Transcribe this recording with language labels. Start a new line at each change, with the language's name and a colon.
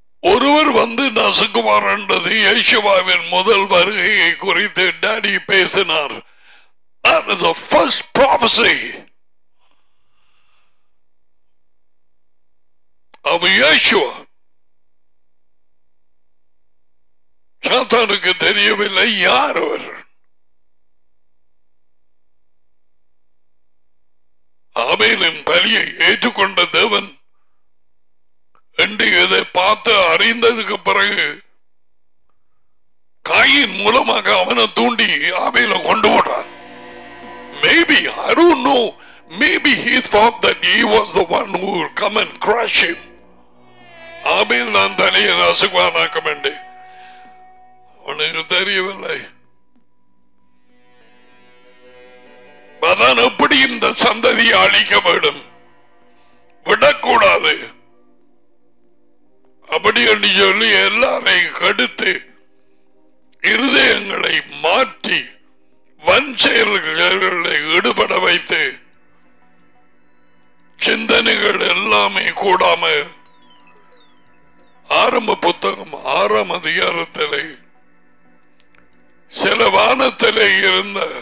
Tamil: ஒருவர் வந்து நசுக்குமார் என்றது யேசுவாவின் முதல் வருகையை குறித்து டாடி பேசினார்.
English: That is the first prophecy of Yeshua.
Tamil: சாத்தானுக்கு தெரியவில்லை யார் அவர். ஆபேலின் பலியை ஏற்றுக்கொண்ட தேவன் பார்த்து அறிந்ததுக்கு பிறகு காயின் மூலமாக அவனை தூண்டி ஆபேல கொண்டு போட்டான்.
English: Maybe, I don't know, maybe he thought that he was the one who would come and crush him.
Tamil: ஆபேல் தான் தலையை நசுக்குவானாக்க வேண்டி அவனுக்கு தெரியவில்லை. அதான் எப்படி இந்த சந்ததியை அழிக்கப்படும், விடக்கூடாது அப்படி என்று சொல்லி எல்லாரையும் கடுத்து இருதயங்களை மாற்றி வன் செயல்களை ஈடுபட வைத்து சிந்தனைகள் எல்லாமே கூடாம ஆரம்ப புத்தகம் ஆறாம் அதிகாரத்திலே சில வானத்திலே இருந்த